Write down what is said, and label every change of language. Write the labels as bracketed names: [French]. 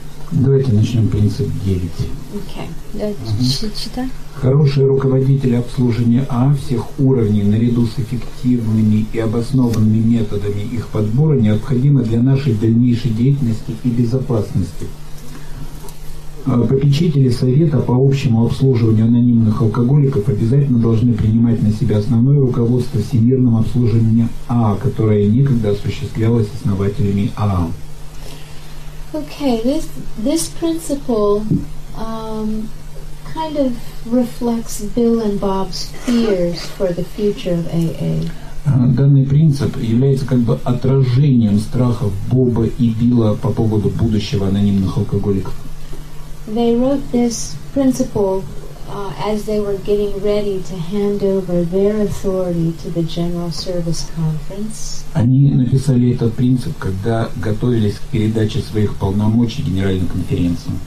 [Russian] Давайте начнем принцип 9. Хорошие руководители обслуживания А всех уровней, наряду с эффективными и обоснованными методами их подбора, необходимы для нашей дальнейшей деятельности и безопасности. Попечители совета по общему обслуживанию анонимных алкоголиков обязательно должны принимать на себя основное руководство всемирным обслуживанием А, которое некогда осуществлялось основателями А. [English] Okay, this principle kind of reflects Bill and Bob's fears for the future of AA. [Russian] Данный принцип является как бы отражением страхов Боба и Билла по поводу будущего анонимных алкоголиков. [English] They wrote this principle as they were getting ready to hand over their authority to the General Service Conference. [Russian] Они написали этот принцип, когда готовились к передаче своих полномочий Генеральной конференции.